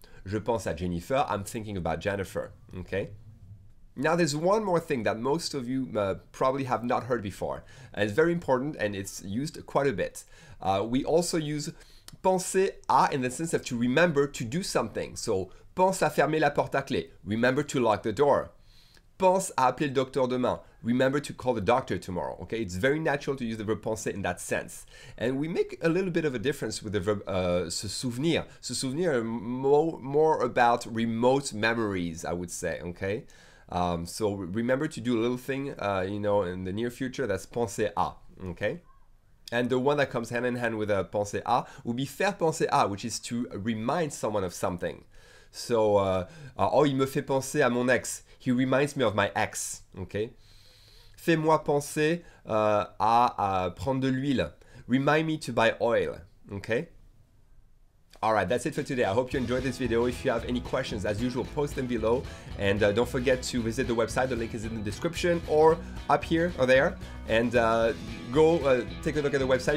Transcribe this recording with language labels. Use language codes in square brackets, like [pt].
[fr] Je pense à Jennifer, [en] I'm thinking about Jennifer. Okay? Now there's one more thing that most of you probably have not heard before. And it's very important and it's used quite a bit. We also use penser à in the sense of to remember to do something. [fr] So, pense à fermer la porte à clé. [en] Remember to lock the door. [fr] Pense à appeler le docteur demain. [en] Remember to call the doctor tomorrow. Okay, it's very natural to use the verb penser in that sense. And we make a little bit of a difference with the verb se souvenir. Se souvenir is more about remote memories, I would say, okay? So remember to do a little thing, you know, in the near future, that's penser à, okay? And the one that comes hand in hand with penser à would be faire penser à, which is to remind someone of something. [fr] So, oh, il me fait penser à mon ex. [en] He reminds me of my ex, okay? [fr] Fais-moi penser à prendre de l'huile. [en] Remind me to buy oil, okay? Alright, that's it for today. I hope you enjoyed this video. If you have any questions, as usual, post them below. And don't forget to visit the website. The link is in the description or up here or there. And go take a look at the website.